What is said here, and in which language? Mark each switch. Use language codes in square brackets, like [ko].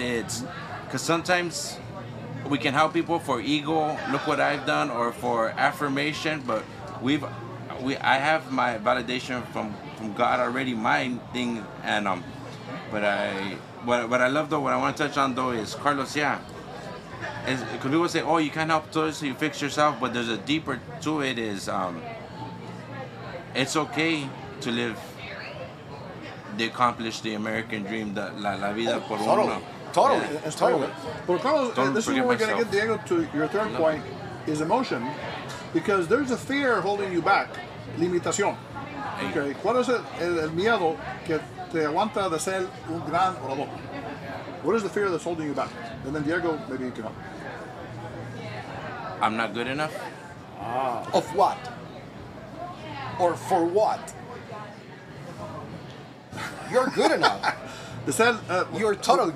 [en] It's because sometimes we can help people for ego, look what I've done, or for affirmation, but I have my validation from God already, my thing, and but I love though, what I want to touch on though is, Carlos, yeah, because people say, oh, you can't help others, so you fix yourself, but there's a deeper to it is, it's okay to live the accomplished, the American dream, [es] la vida por [en] totally. [es] Uno. [en] Totally, yeah. Totally. Totally. But Carlos, this is where we're going to get Diego to your third point, is emotion, because there's a fear holding you back, limitación. Hey. [es] Okay, ¿cuál es el miedo que te aguanta de ser un gran orador? [en] What is the fear that's holding you back? And then Diego, maybe you can help. I'm not good enough. Ah. Of what? Or for what? You're good enough. They said, you're totally good